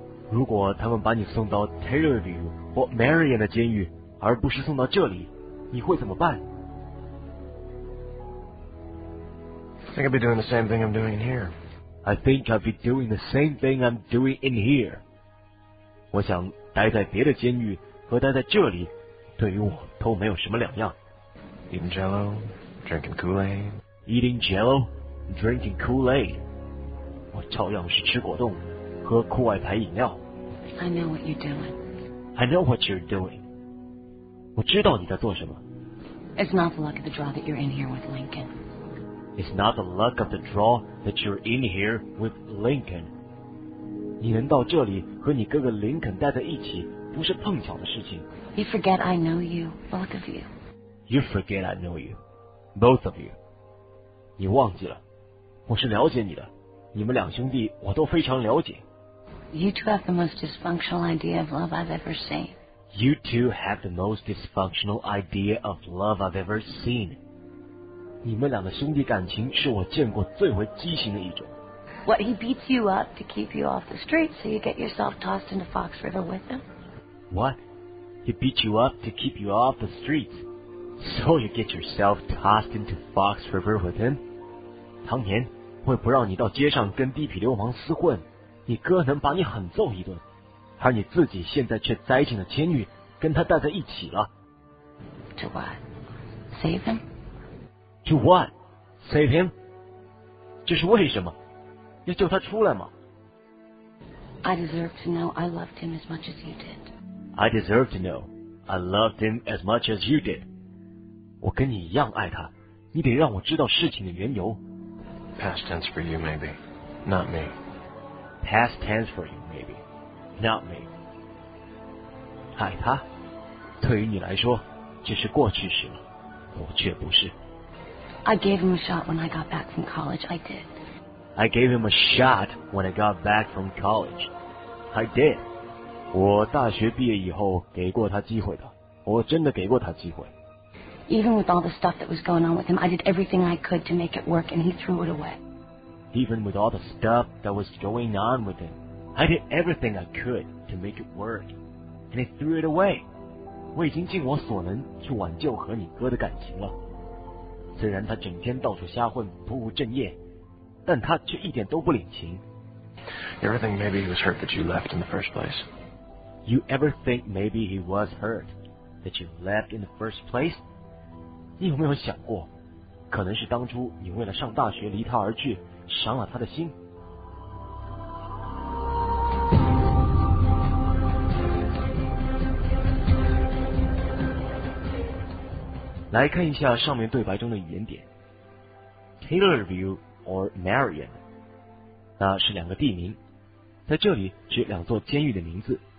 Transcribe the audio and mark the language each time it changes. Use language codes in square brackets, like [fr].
[zh] 如果他们把你送到 Taylorville 或 Marion 的监狱，而不是送到这里，你会怎么办？ [en] I think I'd be doing the same thing I'm doing in here. I think I'd be doing the same thing I'm doing in here. [zh] 我想待在别的监狱和待在这里，对于我都没有什么两样。 [en] Eating Jell-O, drinking Kool-Aid. Eating Jell-O. Drinking Kool-Aid. [zh] 我照样是吃果冻，喝酷外牌饮料。 [en] I know what you're doing. I know what you're doing. [zh] 我知道你在做什么。 [en] It's not the luck of the draw that you're in here with Lincoln. It's not the luck of the draw that you're in here with Lincoln. [zh] 你能到这里和你哥哥林肯待在一起，不是碰巧的事情。 [en] You forget I know you, both of you. You forget I know you, both of you. [zh] 你忘记了，我是了解你的，你们两兄弟我都非常了解。 [en] You two have the most dysfunctional idea of love I've ever seen. You two have the most dysfunctional idea of love I've ever seen. [zh] 你们俩的兄弟感情是我见过最为畸形的一种。 [en] What, he beats you up to keep you off the street so you get yourself tossed into Fox River with him? What? He beats you up to keep you off the streets? So you get yourself tossed into Fox River with him? [zh] 唐年会不让你到街上跟地痞流氓厮混，你哥能把你狠揍一顿，而你自己现在却栽进了监狱，跟他待在一起了。 [en] To what? Save him? To what? Save him? [zh] 这是为什么？要救他出来吗？ [en] I deserve to know I loved him as much as you did. I deserve to know I loved him as much as you did. [zh] 我跟你一样爱他，你得让我知道事情的缘由。 [en] Past tense for you maybe, not me. Past tense for you maybe, not me. [zh] 爱他，对于你来说，这是过去式了，我却不是。 [en] I gave him a shot when I got back from college, I did. I gave him a shot when I got back from college, I did. [zh] 我大学毕业以后给过他机会的，我真的给过他机会。 [en] Even with all the stuff that was going on with him, I did everything I could to make it work, and he threw it away. Even with all the stuff that was going on with him, I did everything I could to make it work, and he threw it away. [zh] 我已经尽我所能去挽救和你哥的感情了。虽然他整天到处瞎混，不务正业，但他却一点都不领情。 [en] You ever think maybe he was hurt that you left in the first place? You ever think maybe he was hurt that you left in the first place? [zh] 你有没有想过，可能是当初你为了上大学离他而去，伤了他的心。来看一下上面对白中的语言点 Taylorville or Marion， 那是两个地名，在这里指两座监狱的名字。